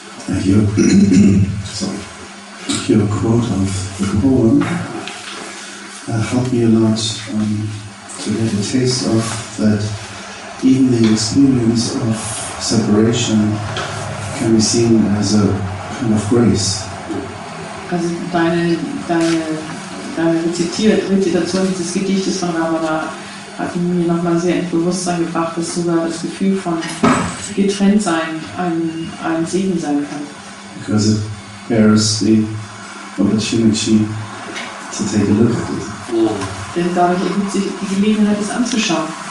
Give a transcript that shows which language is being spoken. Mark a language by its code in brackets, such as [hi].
[en] I hear, sorry. I hear a quote of a poem that helped me a lot to get a taste of that even the experience of separation can be seen as a kind of grace. [de] Also deine Rezitation dieses Gedichtes von Ramana hat mir nochmal sehr ins Bewusstsein gebracht, dass sogar das Gefühl von getrennt sein ein Segen sein kann. [en] Because it bears the opportunity to take a look at it. [de] Denn dadurch ergibt sich die Gelegenheit, es anzuschauen.